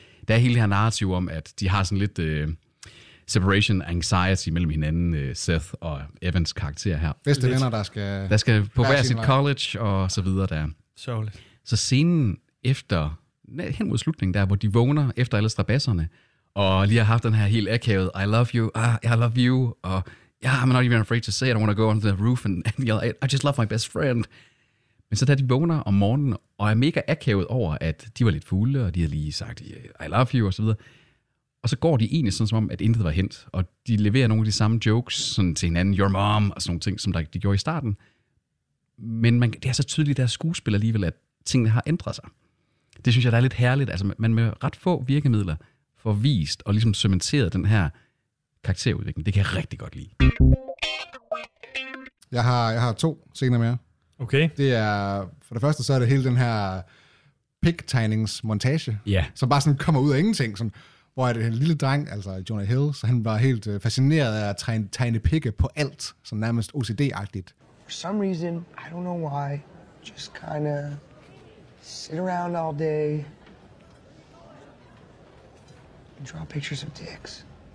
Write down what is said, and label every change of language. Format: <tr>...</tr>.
<da>Der er hele det her narrativ om, at de har sådan lidt separation anxiety mellem hinanden, Seth og Evans karakter her. Bedste venner, der skal... Der skal på hver sit college og så videre der. Sørgeligt. Så scenen efter, hen mod slutningen der, hvor de vågner efter alle strabasserne, og lige har haft den her helt akavet,</da> <en>I love you, I love you,</en> <da>og...</da> <en>Yeah, I'm not even afraid to say it. I want to go on the roof and yell, I just love my best friend.</en> <da>Men så da de vågner om morgenen og er mega akavet over, at de var lidt fulde, og de har lige sagt,</da> <en>I love you,</en> <da>og så videre. Og så går de egentlig sådan, som om, at intet var hent. Og de leverer nogle af de samme jokes sådan til hinanden,</da> <en>your mom,</en> <da>og sådan nogle ting, som de gjorde i starten. Men det er så tydeligt, der skuespil alligevel, at tingene har ændret sig. Det synes jeg, der er lidt herligt. Altså, man med ret få virkemidler får vist og ligesom cementeret den her karakterudvikling. Det kan jeg rigtig godt lide. Jeg har to scener mere. Okay. Det er, for det første, så er det hele den her pig-tegningsmontage, som bare sådan kommer ud af ingenting. Sådan, hvor er det en lille dreng, altså Jonah Hill, så han var helt fascineret af at tegne pigge på alt, så nærmest OCD-agtigt.</da> <en>For some reason, I don't know why, just kind of sit around all day and draw pictures of dicks.</en>